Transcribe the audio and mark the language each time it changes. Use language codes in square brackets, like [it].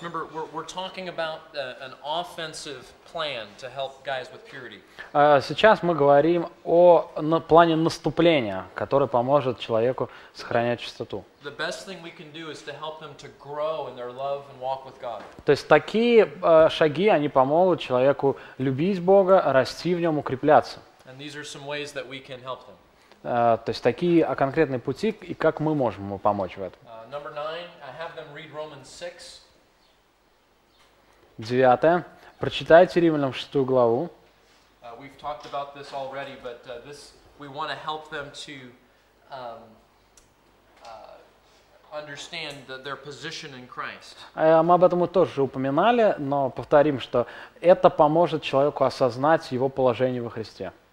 [en] Remember, we're talking about an offensive plan to help guys with purity. [ru] Сейчас мы говорим о плане наступления, который поможет человеку сохранять чистоту. [en] The best thing we can do is to help them to grow in their love and walk with God. [ru] То есть такие шаги они помогут человеку любить Бога, расти в нем, укрепляться. [en] And these are some ways that we can help them. [ru] То есть такие конкретные пути и как мы можем ему помочь в этом. [en] Number nine, I have them read Romans 6. [ru] Девятое. Прочитайте Римлянам 6 главу. [en] We've talked about this already, but this we want to help them to understand their position in Christ. [ru] Мы об этом тоже упоминали, но повторим, что это поможет человеку осознать его положение во Христе.